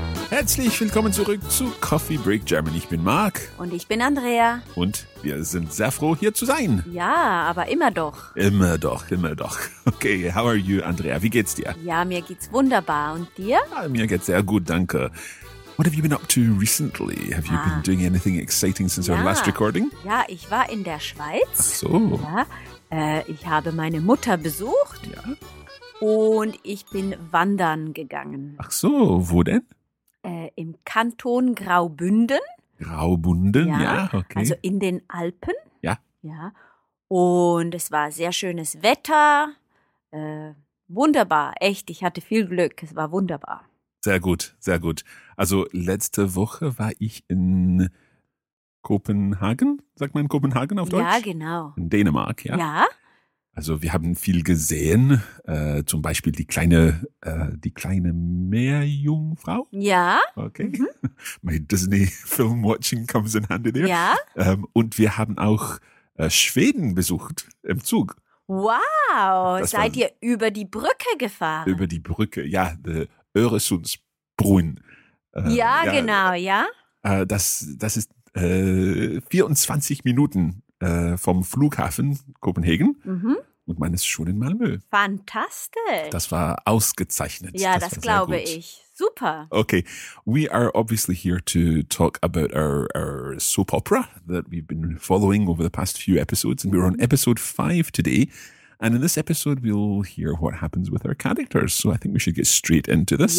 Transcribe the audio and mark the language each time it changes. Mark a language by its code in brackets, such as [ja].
[de] Herzlich willkommen zurück zu Coffee Break German. Ich bin Marc. Und ich bin Andrea. Und wir sind sehr froh, hier zu sein. Ja, aber immer doch. Immer doch, immer doch. [en] Okay, how are you, Andrea? [de] Wie geht's dir? Ja, mir geht's wunderbar. Und dir? Ja, mir geht's sehr gut, danke. [en] What have you been up to recently? Have you been doing anything exciting since our last recording? [de] Ja, ich war in der Schweiz. Ach so. Ja, ich habe meine Mutter besucht. Ja. Und ich bin wandern gegangen. Ach so, wo denn? Im Kanton Graubünden. Graubünden, ja, okay. Also in den Alpen. Ja. Ja. Und es war sehr schönes Wetter. Wunderbar, echt. Ich hatte viel Glück. Es war wunderbar. Sehr gut, sehr gut. Also letzte Woche war ich in Kopenhagen, sagt man Kopenhagen auf Deutsch? Ja, genau. In Dänemark, ja. Ja. Also wir haben viel gesehen, zum Beispiel die kleine Meerjungfrau. Ja. Okay. [en] Mhm. My Disney film watching comes in handy there. [de] Ja. Und wir haben auch Schweden besucht im Zug. Wow, seid ihr über die Brücke gefahren? Über die Brücke, ja, the Öresundsbrunn. Ja, genau. Das ist 24 Minuten vom Flughafen Kopenhagen. Mhm. Und man ist schon in Malmö. Fantastisch. Das war ausgezeichnet. Ja, das glaube ich. Super. [en] Okay, we are obviously here to talk about our soap opera that we've been following over the past few episodes. And we're on episode 5 today. And in this episode, we'll hear what happens with our characters. So I think we should get straight into this.